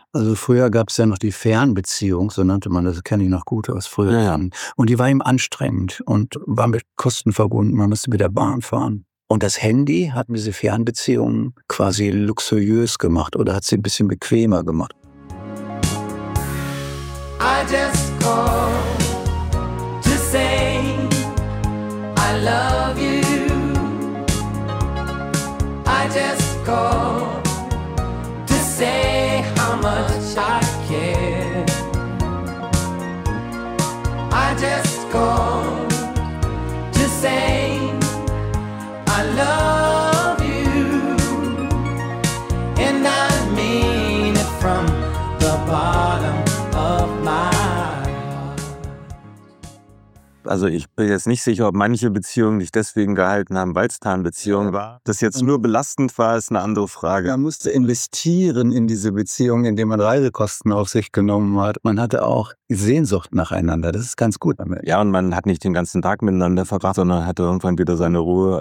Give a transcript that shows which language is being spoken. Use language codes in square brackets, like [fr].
[de] Also früher gab es ja noch die Fernbeziehung, so nannte man das, kenne ich noch gut aus früher. Ja. Und die war ihm anstrengend und war mit Kosten verbunden. Man musste mit der Bahn fahren. Und das Handy hat diese Fernbeziehung quasi luxuriös gemacht oder hat sie ein bisschen bequemer gemacht. [en] I just called to say I love you. I just called to say how much I care. I just called to say I love you, and I mean it from the bottom of my heart. [de] Also ich bin jetzt nicht sicher, ob manche Beziehungen dich deswegen gehalten haben, weil es Tarnbeziehungen war. Das jetzt nur belastend war, ist eine andere Frage. Man musste investieren in diese Beziehung, indem man Reisekosten auf sich genommen hat. Man hatte auch Sehnsucht nacheinander, das ist ganz gut. Ja, und man hat nicht den ganzen Tag miteinander verbracht, sondern hatte irgendwann wieder seine Ruhe.